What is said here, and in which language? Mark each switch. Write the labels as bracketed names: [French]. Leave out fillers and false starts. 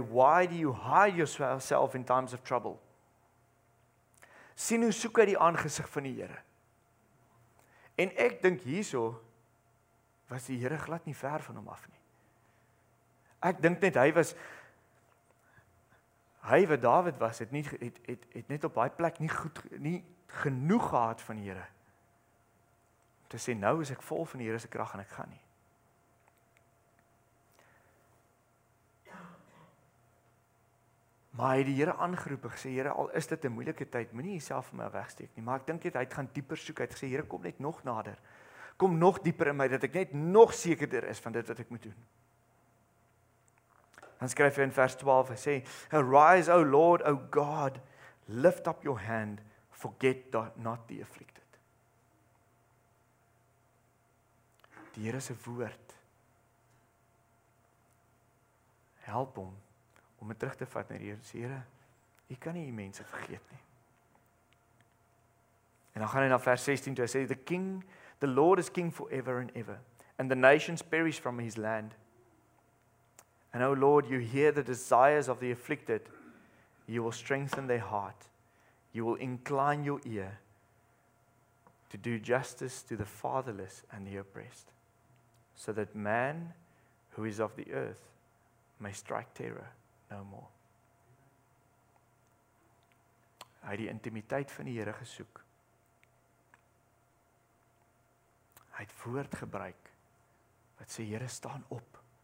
[English] Why do you hide yourself in times of trouble? [Afrikaans] Sien hoe soek hy die aangesig van die Here. En ek dink hierso was die Here glad nie ver van hom af nie. Ek dink net hy wat Dawid was, het net op daai plek nie goed nie genoeg gehad van die Here. Om te sê nou is ek vol van die Here se krag en ek gaan nie. Maar hy die Here aangeroep en gesê Here, al is dit 'n moeilike tyd, moenie jouself vir my wegsteek nie, maar ek dink hy het gaan dieper soek. Hy het gesê Here, kom net nog nader. Kom nog dieper in my dat ek net nog sekerder is van dit wat ek moet doen. Dan skryf hy in vers 12, hy sê, [English] "Arise, O Lord, O God, lift up your hand, forget not the afflicted." [Afrikaans] Die Here se woord help hom om dit terug te vat na die Here. Sê, Here, U kan nie die mense vergeet nie. En dan gaan hy na vers 16 toe, hy sê, [English] the Lord is king forever and ever, and the nations perish from his land. And O Lord, you hear the desires of the afflicted. You will strengthen their heart. You will incline your ear to do justice to the fatherless and the oppressed, so that man who is of the earth may strike terror no more. [Afrikaans] Hy die intimiteit van die Here gesoek. Hy het woord gebruik wat sê Here staan op.